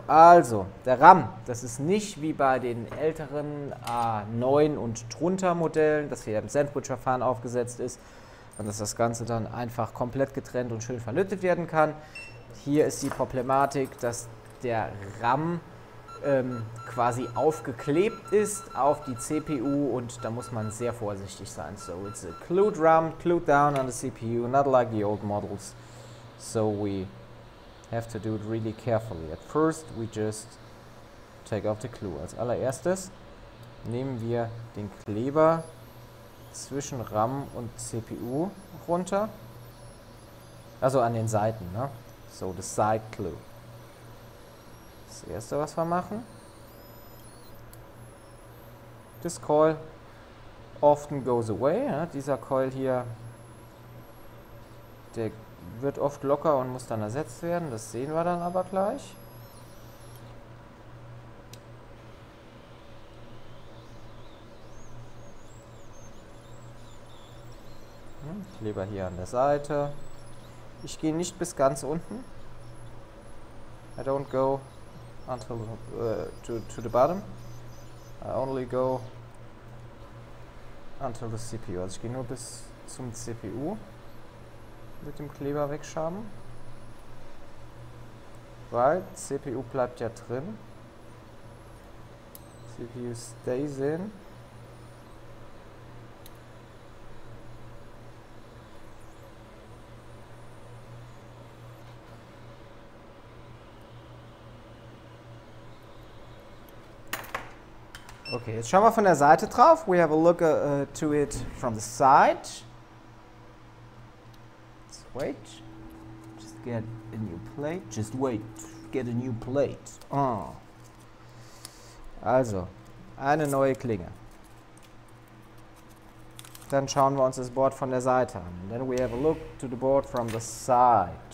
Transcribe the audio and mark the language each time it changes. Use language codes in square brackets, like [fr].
[de] Also, der RAM, das ist nicht wie bei den älteren A9 und drunter Modellen, das hier im Sandwich-Verfahren aufgesetzt ist, und dass das Ganze dann einfach komplett getrennt und schön verlötet werden kann. Hier ist die Problematik, dass der RAM quasi aufgeklebt ist auf die CPU und da muss man sehr vorsichtig sein. [en] So, it's a glued RAM, glued down on the CPU, not like the old models. So, we have to do it really carefully. At first we just take off the glue. [de] Als allererstes nehmen wir den Kleber zwischen RAM und CPU runter. Also an den Seiten, ne? [en] So, the side glue. [de] Das erste, was wir machen, [en] this coil often goes away. [de] Ne? Dieser Coil hier, der wird oft locker und muss dann ersetzt werden. Das sehen wir dann aber gleich. Kleber hier an der Seite. Ich gehe nicht bis ganz unten. [en] I don't go until to the bottom. I only go until the CPU. [de] Also ich gehe nur bis zum CPU. Mit dem Kleber wegschaben, weil CPU bleibt ja drin. [en] CPU stays in. [de] Okay, jetzt schauen wir von der Seite drauf. [en] We have a look to it from the side. Wait, just get a new plate. Just wait, get a new plate. Oh. [de] Also, eine neue Klinge. Dann schauen wir uns das Board von der Seite an. [en] Then we have a look to the board from the side.